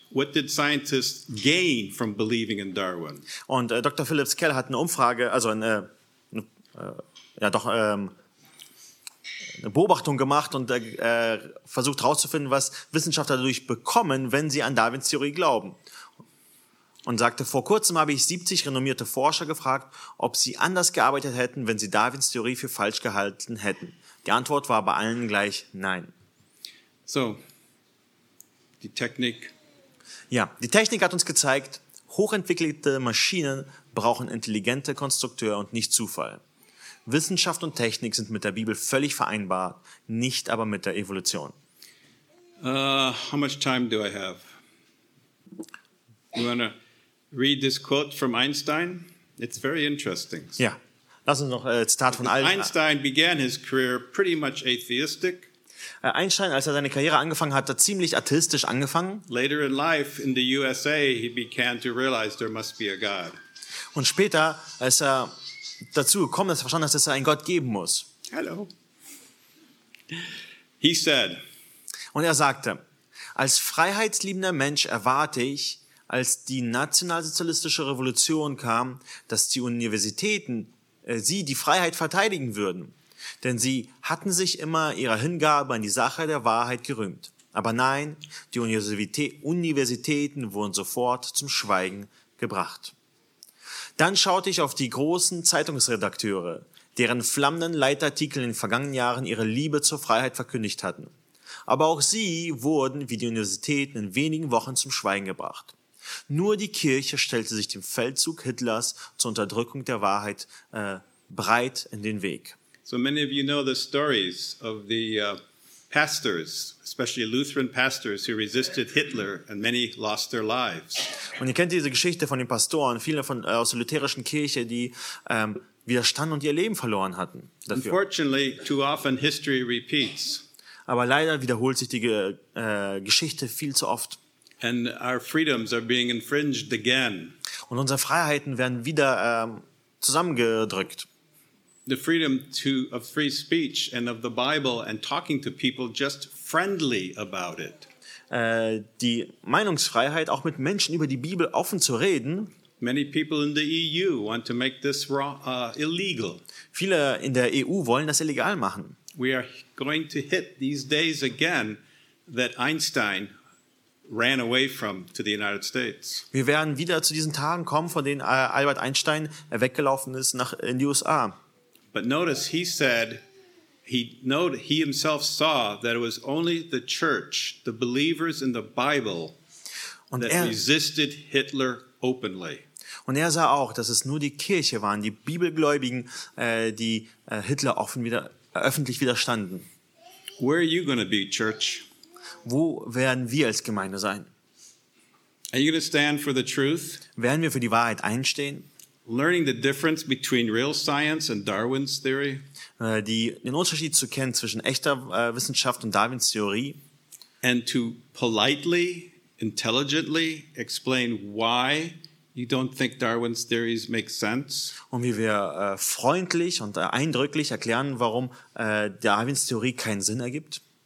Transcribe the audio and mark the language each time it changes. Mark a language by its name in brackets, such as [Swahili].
[English] What did scientists gain from believing in Darwin? [German] Und Dr. Philip Skell hat eine Umfrage, also eine Beobachtung gemacht und versucht herauszufinden, was Wissenschaftler dadurch bekommen, wenn sie an Darwins Theorie glauben. Und sagte, vor kurzem habe ich 70 renommierte Forscher gefragt, ob sie anders gearbeitet hätten, wenn sie Darwins Theorie für falsch gehalten hätten. Die Antwort war bei allen gleich nein. So, die Technik. Ja, die Technik hat uns gezeigt, hochentwickelte Maschinen brauchen intelligente Konstrukteure und nicht Zufall. Wissenschaft und Technik sind mit der Bibel völlig vereinbar, nicht aber mit der Evolution. [English] How much time do I have? You want to read this quote from Einstein? It's very interesting. [German] Ja, lass uns noch Zitat von Einstein. [English] Einstein began his career pretty much atheistic. [German] Einstein, als er seine Karriere angefangen hat, ziemlich atheistisch angefangen. [English] Later in life in the USA, he began to realize there must be a God. [German] Und später, als er dazu gekommen ist, verstanden, dass es einen Gott geben muss. [English] Hello. He said. [German] Und er sagte: Als freiheitsliebender Mensch erwarte ich, als die nationalsozialistische Revolution kam, dass die Universitäten die Freiheit verteidigen würden. Denn sie hatten sich immer ihrer Hingabe an die Sache der Wahrheit gerühmt. Aber nein, die Universitäten wurden sofort zum Schweigen gebracht. Dann schaute ich auf die großen Zeitungsredakteure, deren flammenden Leitartikel in den vergangenen Jahren ihre Liebe zur Freiheit verkündigt hatten. Aber auch sie wurden, wie die Universitäten, in wenigen Wochen zum Schweigen gebracht. Nur die Kirche stellte sich dem Feldzug Hitlers zur Unterdrückung der Wahrheit breit in den Weg. [English] So many of you know the stories of the pastors, especially Lutheran pastors who resisted Hitler and many lost their lives. [German] Und ihr kennt diese Geschichte von den Pastoren, viele von aus der lutherischen Kirche, die widerstanden und ihr Leben verloren hatten dafür. [English] Unfortunately, too often history repeats. [German] Aber leider wiederholt sich die Geschichte viel zu oft. [English] And our freedoms are being infringed again. [German] Und unsere Freiheiten werden wieder zusammengedrückt. [English] The freedom of free speech and of the Bible and talking to people just friendly about it. [German] Die Meinungsfreiheit, auch mit Menschen über die Bibel offen zu reden. [English] Many people in the EU want to make this illegal. [German] Viele in der EU wollen das illegal machen. [English] We are going to hit these days again that Einstein ran away from to the United States. [German] Wir werden wieder zu diesen Tagen kommen, von denen Albert Einstein weggelaufen ist nach in die USA. [English] But notice he said he himself saw that it was only the church, the believers in the Bible [German] und [English] that resisted Hitler openly. [German] Und er sah auch, dass es nur die Kirche waren, die Bibelgläubigen, die Hitler öffentlich widerstanden. [English] Where are you going to be, church? [German] Wo werden wir als Gemeinde sein? [English] Are you going to stand for the truth? [German] Werden wir für die Wahrheit einstehen? [English] Learning the difference between real science and Darwin's theory. [German] Den Unterschied zu kennen zwischen echter Wissenschaft und Darwins Theorie. [English] And to politely, intelligently explain why you don't think Darwin's theories make sense. [German] Und wie wir freundlich und eindrücklich erklären, warum Darwins Theorie keinen Sinn ergibt.